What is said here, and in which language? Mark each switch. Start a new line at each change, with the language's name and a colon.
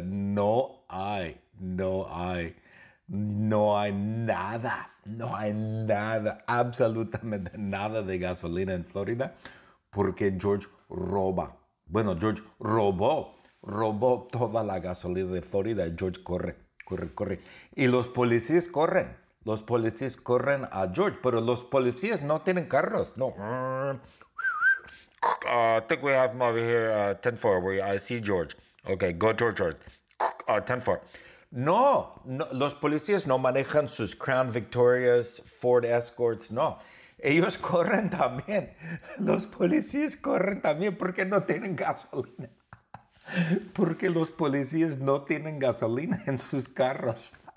Spanish: No hay, no hay, no hay nada, no hay nada, absolutamente nada de gasolina en Florida porque George roba. Bueno, George robó, robó toda la gasolina de Florida. George corre, corre, corre. Y los policías corren. Los policías corren a George, pero los policías no tienen carros. No.
English: I think we have him over here, 10-4. I see George. Okay, go to George. 10-4.
Spanish: No, no, los policías no manejan sus Crown Victorias, Ford Escorts, no. Ellos corren también. Los policías corren también porque no tienen gasolina. Porque los policías no tienen gasolina en sus carros.